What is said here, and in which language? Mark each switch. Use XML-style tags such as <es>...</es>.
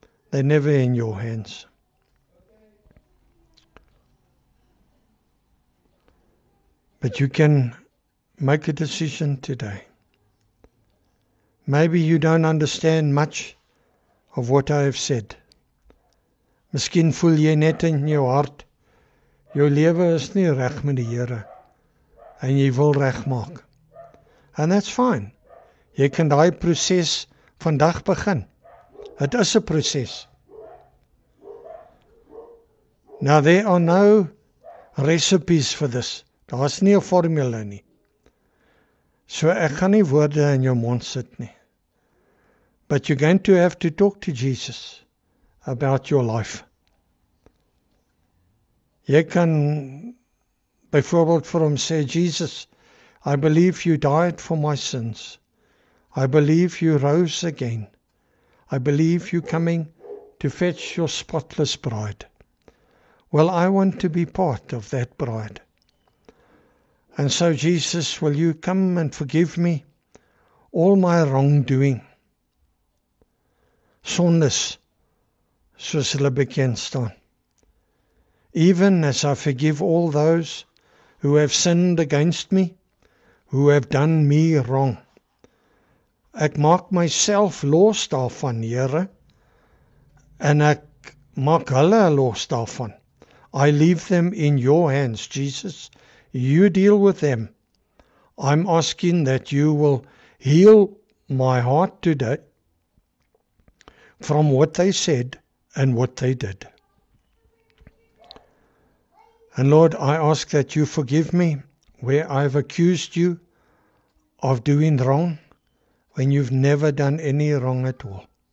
<en>They're never in your hands. But you can make a decision today. Maybe you don't understand much of what I have said.</en> <af>Miskien voel jy net in jou hart, jou lewe is nie reg met die Here, en jy wil reg maak.</af> <en>And that's fine.</en> <af>Jy kan daai proses vandag begin. Het is 'n proses.</af> <en>Now there are no recipes for this.</en> <af>Daar is nie 'n formule nie. So ek gaan nie woorde in jou mond sit nie.</af> <en>But you're going to have to talk to Jesus about your life.</en> <af>Jy kan byvoorbeeld vir hom sê,</af> <en>Jesus, I believe you died for my sins. I believe you rose again. I believe you coming to fetch your spotless bride. Well, I want to be part of that bride. And so, Jesus, will you come and forgive me all my wrongdoing?</en> <af>Sondes, soos hulle bekend staan.</af> <en>Even as I forgive all those who have sinned against me, who have done me wrong.</en> <af>Ek maak myself los daarvan, Here, en ek maak hulle los daarvan.</af> <en>I leave them in your hands, Jesus. You deal with them. I'm asking that you will heal my heart today from what they said and what they did. And Lord, I ask that you forgive me where I've accused you of doing wrong when you've never done any wrong at all.</en>